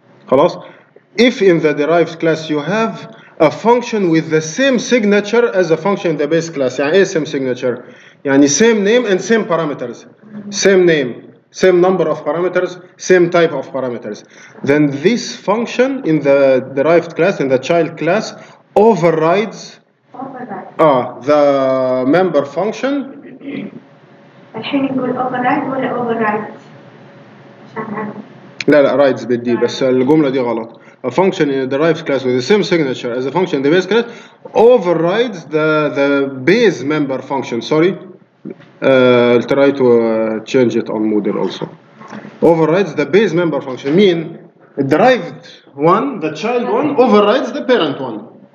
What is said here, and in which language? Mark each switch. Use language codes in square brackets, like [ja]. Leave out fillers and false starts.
[ar] خلاص. [en] If in the derived class you have a function with the same signature as a function in the base class, [ar] يعني ايه [en] same signature؟ يعني same name and same parameters. Same name, same number of parameters, same type of parameters. Then this function in the derived class, in the child class, overrides the member function. [ar] الحين نقول override ولا overrides؟ لا لا rides بالدي، بس الجملة دي غلط. [en] A function in a derived class with the same signature as a function in the base class overrides the base member function. Sorry, I'll try to change it on Moodle also. Overrides the base member function. Mean a derived one, the child one, overrides the parent one.